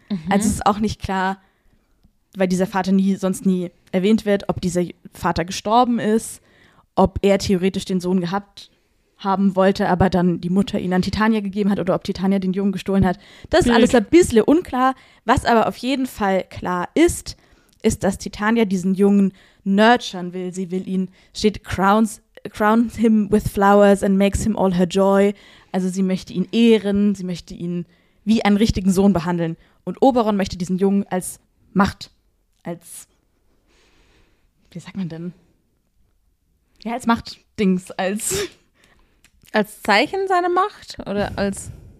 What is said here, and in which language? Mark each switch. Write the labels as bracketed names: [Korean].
[German] Also es ist auch nicht klar, weil dieser Vater sonst nie erwähnt wird, ob dieser Vater gestorben ist, ob er theoretisch den Sohn gehabt haben wollte, aber dann die Mutter ihn an Titania gegeben hat oder ob Titania den Jungen gestohlen hat. Das ist alles ein bisschen unklar. Was aber auf jeden Fall klar ist, ist, dass Titania diesen Jungen nurturen will. Sie will ihn, steht, [English] crowns him with flowers and makes him all her joy. [German] Also sie möchte ihn ehren, sie möchte ihn wie einen richtigen Sohn behandeln. Und Oberon möchte diesen Jungen als Macht, als, wie sagt man denn? Ja, als Machtdings, als... Als Zeichen seiner Macht oder als...